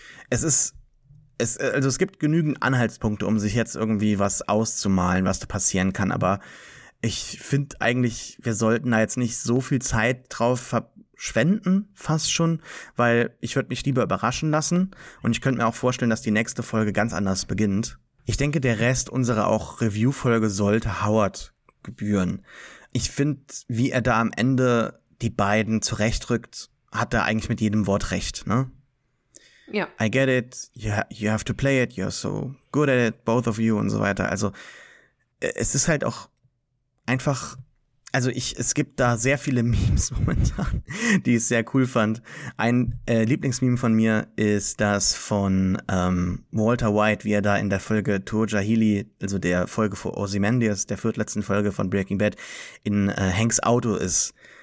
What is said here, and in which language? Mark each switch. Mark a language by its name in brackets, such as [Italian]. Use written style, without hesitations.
[German] Es gibt genügend Anhaltspunkte, um sich jetzt irgendwie was auszumalen, was da passieren kann, aber ich finde eigentlich, wir sollten da jetzt nicht so viel Zeit drauf verschwenden, fast schon, weil ich würde mich lieber überraschen lassen und ich könnte mir auch vorstellen, dass die nächste Folge ganz anders beginnt. Ich denke, der Rest unserer auch Review-Folge sollte Howard gebühren. Ich finde, wie er da am Ende die beiden zurechtrückt, hat er eigentlich mit jedem Wort recht, ne? Ja. [English] I get it, you have to play it, you're so good at it, both of you [German] und so weiter. Also es ist halt auch einfach, also es gibt da sehr viele Memes momentan, die ich sehr cool fand. Ein Lieblingsmeme von mir ist das von Walter White, wie er da in der Folge Torja Healy, also der Folge von Ozymandias, der viertletzten Folge von Breaking Bad, in Hanks Auto ist.